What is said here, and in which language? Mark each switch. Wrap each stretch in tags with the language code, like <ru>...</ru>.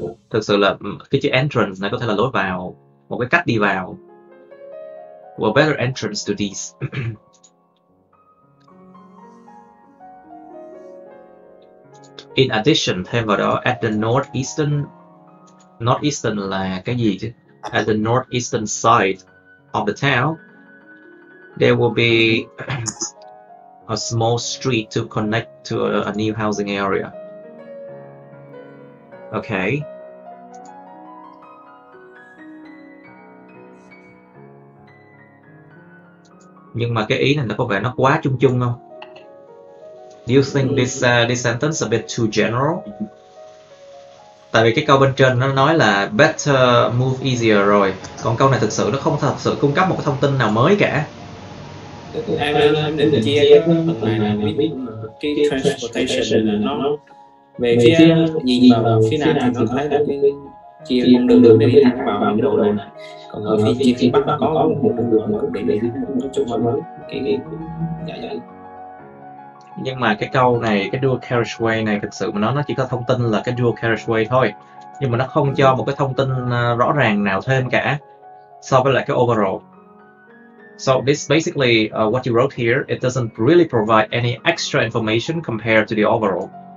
<vi>Thực sự là cái chữ entrance này có thể là lối vào, một cái cách đi vào.</vi> <en>Well, better entrance to this. In addition,</en> <vi>thêm vào đó,</vi> <en>at the northeastern.</en> <vi>Northeastern là cái gì chứ?</vi> <en>At the northeastern side of the town, there will be a small street to connect to a new housing area. Okay.</en> <vi>Nhưng mà cái ý này nó có vẻ nó quá chung chung không?</vi> <en>Do you think this sentence a bit too general?</en> <vi>Tại vì cái câu bên trên nó nói là</vi> <en>better move easier</en> <vi>rồi. Còn câu này thực sự nó không thật sự cung cấp một cái thông tin nào mới cả. Nhưng mà cái câu này, cái dual carriageway này thực sự mà nó chỉ có thông tin là cái dual carriageway thôi. Nhưng mà nó không cho một cái thông tin rõ ràng nào thêm cả so với lại cái overall.</vi> <en>So this basically what you wrote here, it doesn't really provide any extra information compared to the overall.</en>